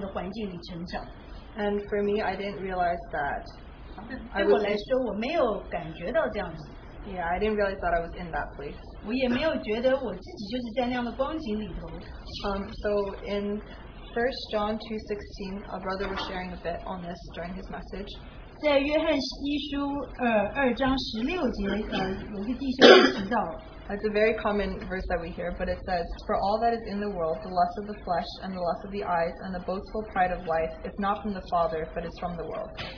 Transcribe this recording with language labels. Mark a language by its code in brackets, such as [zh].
[zh] 但是那个就是讲到说，当你觉得舒适的环境是很好的、很美好的，但是你却不能够在那样的环境里成长。And [en] for me, I didn't realize that. [zh] 对我来说，我没有感觉到这样子。 [en] Yeah, I didn't realize that I was in that place. [zh] 我也没有觉得我自己就是在那样的光景里头。So [en] in 1 John 2:16, a brother was sharing a bit on this during his message. [zh] 在约翰一书二章十六节，有一个弟兄提到。It's [en] a very common verse that we hear, but it says, "For all that is in the world, the lust of the flesh and the lust of the eyes and the boastful pride of life, is not from the Father, but is from the world."